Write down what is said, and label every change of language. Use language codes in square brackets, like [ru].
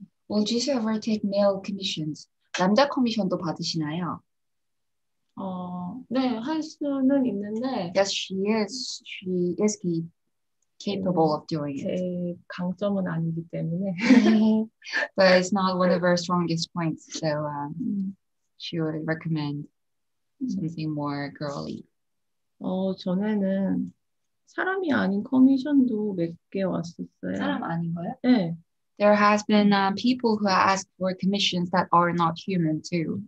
[en] Will Jisoo ever take male commissions? [ko] 남자 커미션도 받으시나요? 네, 할 수는 있는데, [en] Yes, she is. She is capable of doing it. [ko] 제 강점은 아니기 때문에. [en] But it's not one of her strongest points. So she would recommend something more girly. [ko] 전에는 사람이 아닌 커미션도 몇 개 왔었어요. 사람 아닌 거요? 네. [en] There has been people who ask for commissions that are not human too.